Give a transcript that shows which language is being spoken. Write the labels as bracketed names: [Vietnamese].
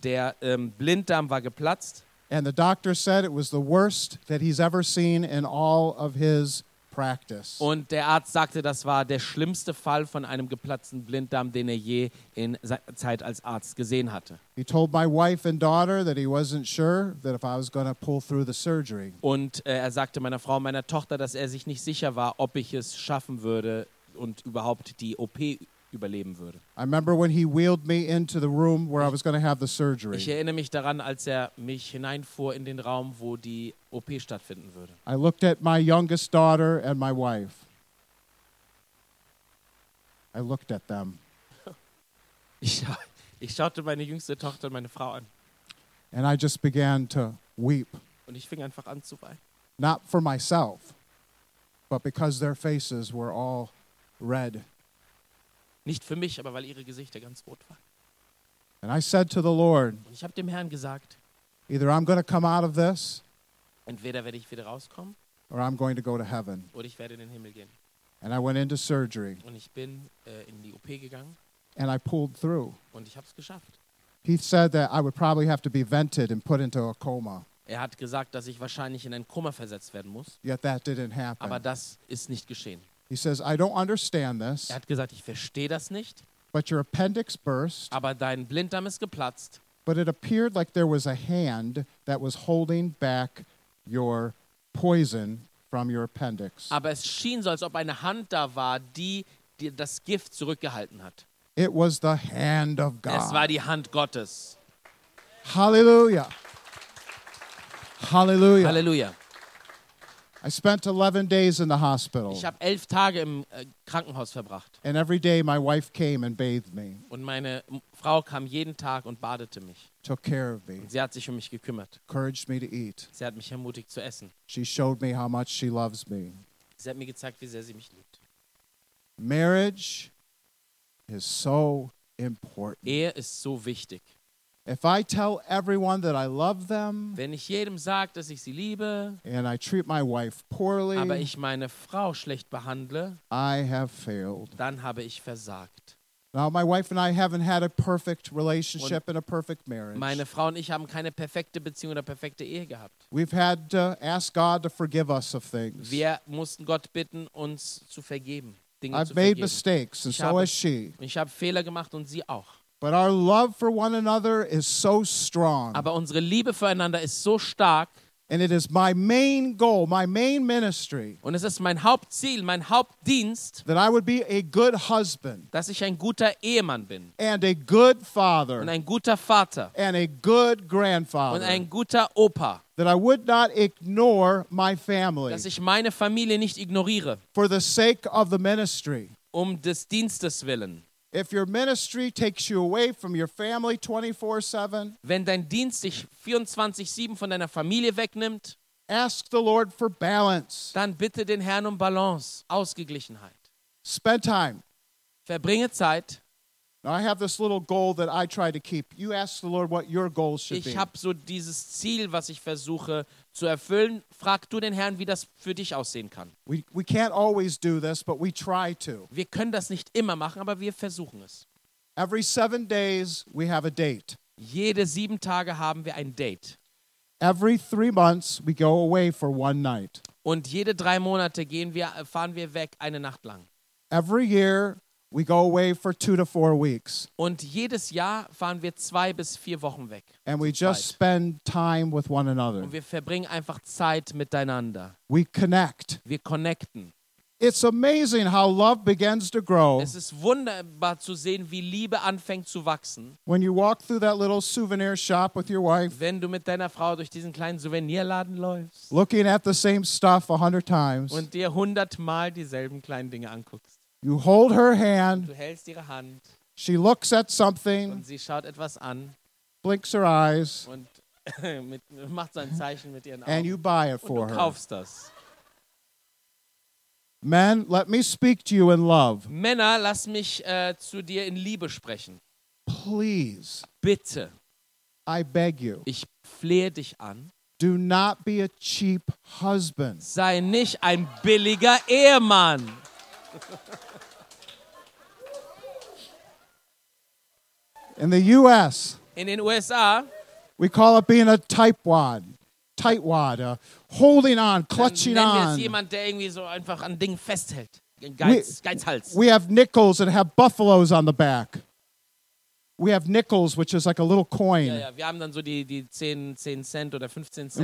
[German] Der Blinddarm war geplatzt. [English] And the doctor said it was the worst that he's ever seen in all of his practice. [German] Und der Arzt sagte, das war der schlimmste Fall von einem geplatzten Blinddarm, den je in seiner Zeit als Arzt gesehen hatte. [English] He told my wife and daughter that he wasn't sure that if I was going to pull through the surgery. [German] Und sagte meiner Frau und meiner Tochter, dass sich nicht sicher war, ob ich es schaffen würde und überhaupt die OP überleben würde. [English] I remember when he wheeled me into the room where I was going to have the surgery. [German] Ich erinnere mich daran, als mich hineinfuhr in den Raum, wo die OP stattfinden würde. [English] I looked at my youngest daughter and my wife. I looked at them. [German] Ich schaute meine jüngste Tochter und meine Frau an. [English] And I just began to weep. [German] Und ich fing einfach an zu weinen. [English] Not for myself, but because their faces were all red. [German] Nicht für mich, aber weil ihre Gesichter ganz rot waren. [English] And I said to the Lord, [German] und ich habe dem Herrn gesagt, [English] either I'm going to come out of this, [German] entweder werde ich wieder rauskommen, [English] or I'm going to go to heaven. [German] Oder ich werde in den Himmel gehen. [English] And I went into surgery. [German] Und ich bin in die OP gegangen. [English] And I pulled through. [German] Und ich habe es geschafft. [English] He said that I would probably have to be vented and put into a coma. [German] Er hat gesagt, dass ich wahrscheinlich in ein Koma versetzt werden muss. [English] Yet that didn't happen. [German] Aber das ist nicht geschehen. [English] He says, I don't understand this. [German] Er hat gesagt, ich verstehe das nicht. [English] But your appendix burst. [German] Aber dein Blinddarm ist geplatzt. [English] But it appeared like there was a hand that was holding back your poison from your appendix. [German] Aber es schien so, als ob eine Hand da war, die dir das Gift zurückgehalten hat. [English] It was the hand of God. [German] Es war die Hand Gottes. Hallelujah. Hallelujah. Hallelujah. [English] I spent 11 days in the hospital. [German] Ich habe 11 Tage im Krankenhaus verbracht. [English] And every day my wife came and bathed me. [German] Und meine Frau kam jeden Tag und badete mich. [English] Took care of me. [German] Und sie hat sich um mich gekümmert. [English] Encouraged me to eat. [German] Sie hat mich ermutigt zu essen. [English] She showed me how much she loves me. [German] Sie hat mir gezeigt, wie sehr sie mich liebt. [English] Marriage is so important. [German] Ehe ist so wichtig. [English] If I tell everyone that I love them, [German] wenn ich jedem sag, dass ich sie liebe, [English] and I treat my wife poorly, [German] aber ich meine Frau schlecht behandle, [English] I have failed. [German] Dann habe ich versagt. [English] Now my wife and I haven't had a perfect relationship and a perfect marriage. [German] Meine Frau und ich haben keine perfekte Beziehung oder perfekte Ehe gehabt. [English] We've had to ask God to forgive us of things. [German] Wir mussten Gott bitten, uns zu vergeben, Dinge [English] I've [German] zu [English] made [German] vergeben. [English] Mistakes, and so has she. [German] Ich habe Fehler gemacht und sie auch. [English] But our love for one another is so strong. [German] Aber unsere Liebe füreinander ist so stark. [English] And it is my main goal, my main ministry. [German] Und es ist mein Hauptziel, mein Hauptdienst. [English] That I would be a good husband. [German] Dass ich ein guter Ehemann bin. [English] And a good father. [German] Und ein guter Vater. [English] And a good grandfather. [German] Und ein guter Opa. [English] That I would not ignore my family. [German] Dass ich meine Familie nicht ignoriere. [English] For the sake of the ministry. [German] Um des Dienstes willen. [English] If your ministry takes you away from your family 24/7, [German] wenn dein Dienst dich 24/7 von deiner Familie wegnimmt, [English] ask the Lord for balance. [German] Dann bitte den Herrn um Balance, Ausgeglichenheit. [English] Spend time. [German] Verbringe Zeit. [English] Now I have this little goal that I try to keep. You ask the Lord what your goal should [German] be. Ich habe so dieses Ziel, was ich versuche zu erfüllen. Frag du den Herrn, wie das für dich aussehen kann. [English] We can't always do this, but we try to. [German] Wir können das nicht immer machen, aber wir versuchen es. [English] Every 7 days we have a date. [German] Jede 7 Tage haben wir ein Date. [English] Every 3 months we go away for one night. [German] Und jede 3 Monate fahren wir weg eine Nacht lang. [English] Every year we go away for 2 to 4 weeks. [German] Und jedes Jahr fahren wir 2 bis 4 Wochen weg. [English] And we just spend time with one another. [German] Und wir verbringen einfach Zeit miteinander. [English] We connect. [German] Wir connecten. [English] It's amazing how love begins to grow. [German] Es ist wunderbar zu sehen, wie Liebe anfängt zu wachsen. [English] When you walk through that little souvenir shop with your wife. [German] Wenn du mit deiner Frau durch diesen kleinen Souvenirladen läufst. [English] Looking at the same stuff 100 times. [German] Und dir 100 Mal dieselben kleinen Dinge anguckst. [English] You hold her hand. [German] Du hältst ihre Hand. [English] She looks at something. [German] Und sie schaut etwas an. [English] Blinks her eyes. [German] Und macht so ein Zeichen mit ihren Augen. [English] And you buy it for her. [German] Und du kaufst das. [English] Men, let me speak to you in love. [German] Männer, lass mich zu dir in Liebe sprechen. [English] Please. [German] Bitte. [English] I beg you. [German] Ich flehe dich an. [English] Do not be a cheap husband. [German] Sei nicht ein billiger Ehemann. [English] In the US. [German] In den USA. [English] We call it being a tightwad. Tightwad, holding on, clutching [German] on. Nennen wir es jemand, der irgendwie so einfach an Dingen festhält. Geizhals. [English] We have nickels and have buffaloes on the back. We have nickels, which is like a little coin. [German] Ja, wir haben dann so die 10 Cent oder 15 Cent.